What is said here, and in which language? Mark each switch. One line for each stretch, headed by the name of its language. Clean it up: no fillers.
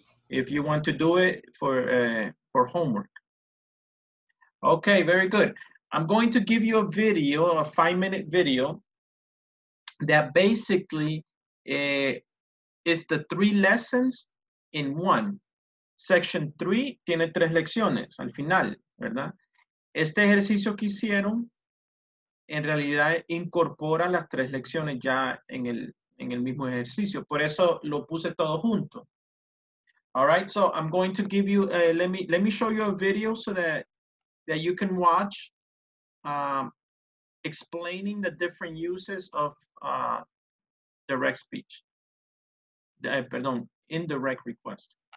English: If you want to do it for homework. Okay, very good. I'm going to give you a video, a 5-minute video, that basically is the three lessons in one.
Spanish: Section 3 tiene tres lecciones al final, ¿verdad? Este ejercicio que hicieron, en realidad, incorpora las tres lecciones ya en el mismo ejercicio. Por eso lo puse todo junto.
English: All right, so I'm going to give you, let me show you a video so that you can watch explaining the different uses of direct speech, indirect request.